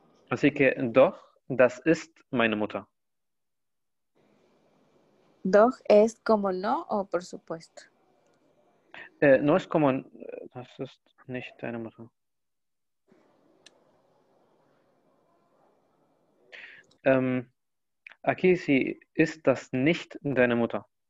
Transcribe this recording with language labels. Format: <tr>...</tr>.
<es>Así que,</es> <de>doch, das ist meine Mutter.</de> <es>Doch es como no o por supuesto. No es como,</es> <de>das ist nicht deine Mutter.</de> <es>Aquí sí,</es> <de>ist das nicht deine Mutter.</de>